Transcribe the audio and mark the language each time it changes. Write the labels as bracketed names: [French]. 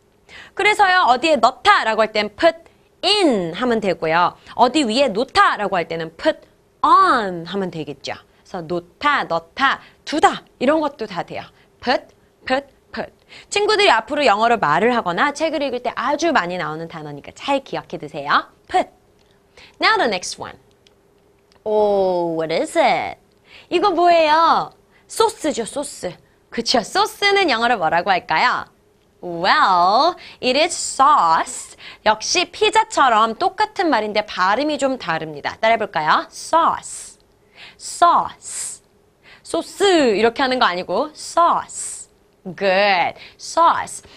[Korean] 그래서요, 어디에 넣다 라고 할 땐 put in 하면 되고요. 어디 위에 놓다 라고 할 때는 put on 하면 되겠죠. 그래서 놓다, 넣다, 두다 이런 것도 다 돼요. [English] Put, put, put. [Korean] 친구들이 앞으로 영어로 말을 하거나 책을 읽을 때 아주 많이 나오는 단어니까 잘 기억해 두세요. [English] Put. Now the next one. Oh, what is it? [Korean] 이거 뭐예요? 소스죠, 소스. 그쵸, 소스는 영어로 뭐라고 할까요? [English] Well, it is sauce. [Korean] 역시 피자처럼 똑같은 말인데 발음이 좀 다릅니다. 따라해볼까요? [English] Sauce. Sauce. [Korean] 소스 이렇게 하는 거 아니고 sauce. Good. Sauce.